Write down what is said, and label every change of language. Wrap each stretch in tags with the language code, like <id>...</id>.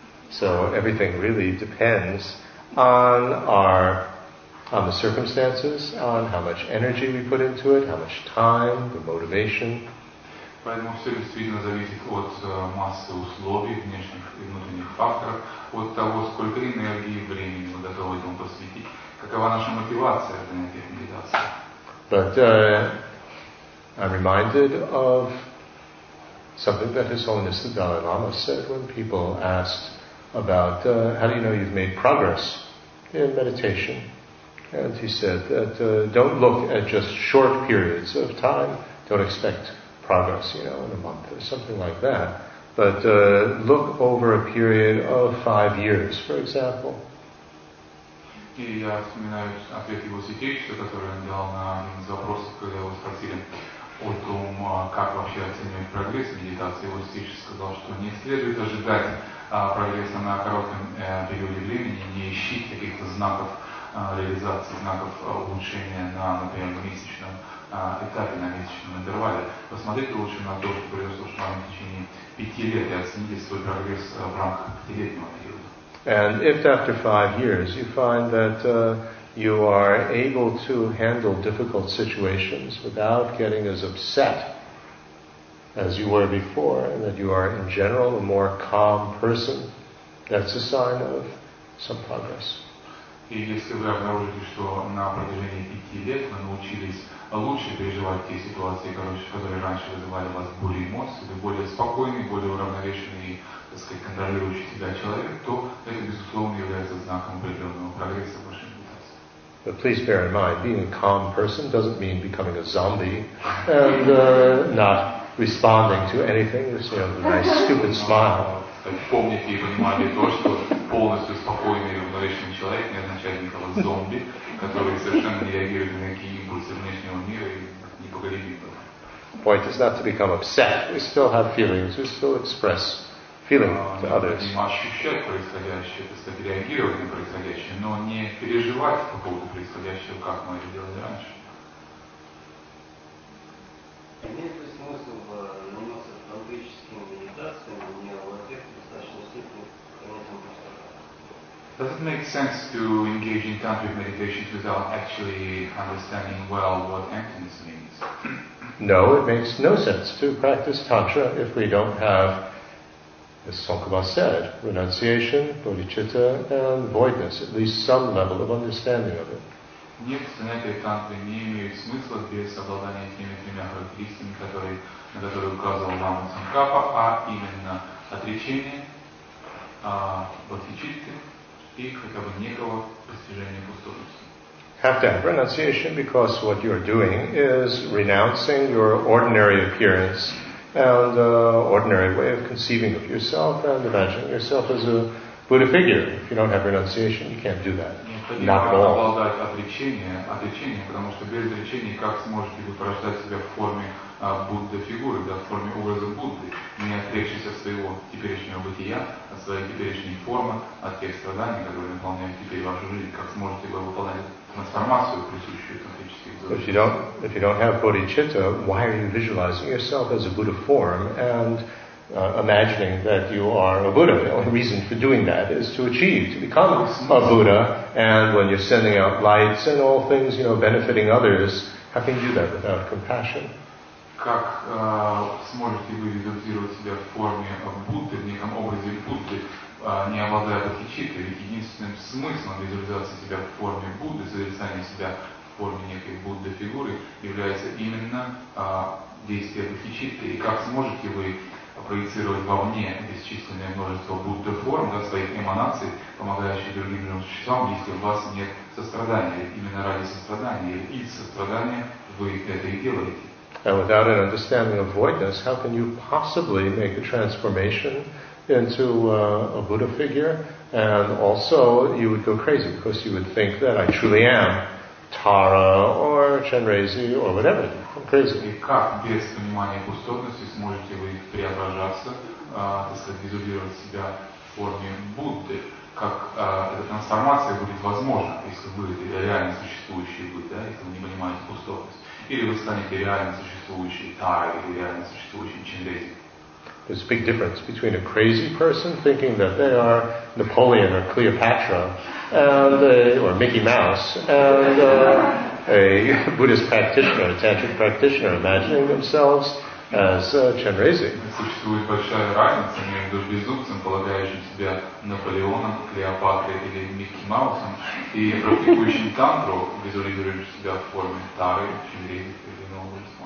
<en>So everything really depends on the circumstances, on how much energy we put into it, how much time, the motivation.</en> <ru>Поэтому все действительно зависит от массы условий, внешних и внутренних факторов, от того, сколько энергии и времени мы готовы этому посвятить, какова наша мотивация для этих медитаций.</ru> <en>But I'm reminded of something that His Holiness the Dalai Lama said when people asked about how do you know you've made progress in meditation? And he said that don't look at just short periods of time, don't expect progress, you know, in a month or something like that. But look over a period of 5 years, for example.</en> <ru>И я вспоминаю ответ его сетейшего, который он дал на запрос, когда его спросили о том, как вообще оценивать прогресс медитации. Его сетейший сказал, что не следует ожидать прогресса на коротком периоде времени, не ищите каких-то знаков реализации, знаков улучшения на, например, месячном этапе, на месячном интервале. Посмотрите лучше на то, что произошло с вами в течение 5 лет, и оцените свой прогресс в рамках 5-летнего периода.</ru> <en>And if after 5 years you find that you are able to handle difficult situations without getting as upset as you were before, and that you are in general a more calm person, that's a sign of some progress.</en> <ru>И если вы обнаружите, что на протяжении 5 лет вы научились лучше переживать те ситуации, которые раньше вызывали у вас бурю эмоций, вы более спокойный, более уравновешенный и, так сказать, контролирующий себя человек, то это, безусловно, является знаком определенного прогресса в вашей медитации.</ru> <en>But please bear in mind, being a calm person doesn't mean becoming a zombie and not responding to anything. You see, a nice stupid smile.</en> <ru>Помните и понимали то, что полностью спокойный и уравновешенный человек не означает никого зомби, который совершенно не реагирует на какие импульсы внешнего мира и непоколебим.</ru> <en>Point is not to become upset. We still have feelings. We still express feeling to others.</en> <ru>Не ощущать происходящее, то есть реагировать на происходящее, но не переживать по поводу происходящего, как мы это делали раньше. Имеет ли смысл заниматься тантрическими медитациями?</ru> <en>Does it make sense to engage in tantric meditations without actually understanding well what emptiness means? No, it makes no sense to practice tantra if we don't have, as Tsongkhapa said, renunciation, bodhicitta, and voidness, at least some level of understanding of it.</en> <ru>Нет, занятия тантры не имеют смысла без обладания теми тремя характеристиками, на которые указывал Лама Цонгкапа, а именно отречение, бодхичитта,</ru> <en>have to have renunciation because what you're doing is renouncing your ordinary appearance and ordinary way of conceiving of yourself and imagining yourself as a Buddha figure. If you don't have renunciation, you can't do that. Not at all.</en> <ru>Отречение, потому что без отречения как сможете вы порождать себя в форме Будды фигуры, да, в форме образа Будды, не отречься от своего теперешнего бытия, от своей теперешней формы, от тех страданий, которые наполняют теперь вашу жизнь, как сможете вы выполнять трансформацию, присущую тантрическим задачам?</ru> <en>If you don't have bodhicitta, why are you visualizing yourself as a Buddha form and imagining that you are a Buddha? The only reason for doing that is to achieve, to become a Buddha, and when you're sending out lights and all things, you know, benefiting others, how can you do that without compassion?</en> <ru>Как сможете вы визуализировать себя в форме Будды, в неком образе Будды, не обладая бодхичиттой? Ведь единственным смыслом визуализации себя в форме Будды, созерцания себя в форме некой Будды фигуры, является именно действие бодхичитты. И как сможете вы проецировать вовне бесчисленное множество Будды форм, да, своих эманаций, помогающих другим живым существам, если у вас нет сострадания, именно ради сострадания, или сострадания вы это и делаете?</ru> <en>And without an understanding of voidness, how can you possibly make a transformation into a Buddha figure? And also, you would go crazy because you would think that I truly am Tara or Chenrezi or whatever. I'm crazy.</en> <ru>И как без понимания пустотности сможете вы преображаться, так сказать, визуализировать себя в форме Будды? Как эта трансформация будет возможна, если вы реально существующий Будда, да, если вы не понимаете пустотность? Или вы станете реально существующей Тарой или реально существующим Чинрези?</ru> <en>There's a big difference between a crazy person thinking that they are Napoleon or Cleopatra and or Mickey Mouse and a Buddhist practitioner, a tantric practitioner, imagining themselves as Chenrezig.</en> <ru>Существует большая разница между безумцем, полагающим себя Наполеоном, Клеопатрой или Микки Маусом, и практикующим тантру, визуализирующим себя в форме Тары, Чинрезик или Новый.</ru>